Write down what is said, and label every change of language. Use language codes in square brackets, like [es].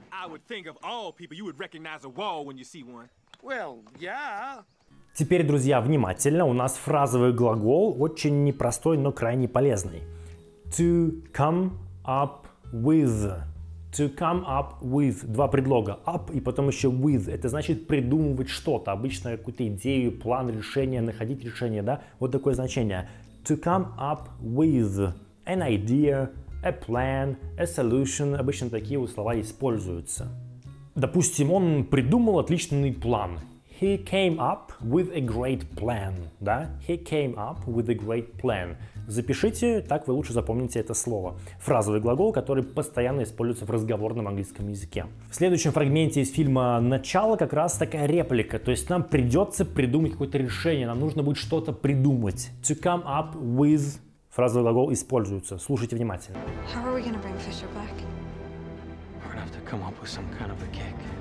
[en] I would think of all people you would recognize a wall when you see one. Well, yeah. [ru] Теперь, друзья, внимательно. У нас фразовый глагол очень непростой, но крайне полезный. [en] To come up with. To come up with. [ru] Два предлога. Up и потом еще with. Это значит придумывать что-то. Обычно какую-то идею, план, решение, находить решение, да? Вот такое значение. [en] To come up with. An idea, a plan, a solution. [ru] Обычно такие вот слова используются. Допустим, он придумал отличный план. [en] He came up with a great plan. Да? He came up with a great plan. [ru] Запишите, так вы лучше запомните это слово. Фразовый глагол, который постоянно используется в разговорном английском языке. В следующем фрагменте из фильма «Начало» как раз такая реплика. То есть нам придется придумать какое-то решение. Нам нужно будет что-то придумать. [en] To come up with... [ru] Фразовый глагол используется. Слушайте внимательно. [en] How are we gonna bring Fisher back? We're gonna have to come up with some kind of a kick.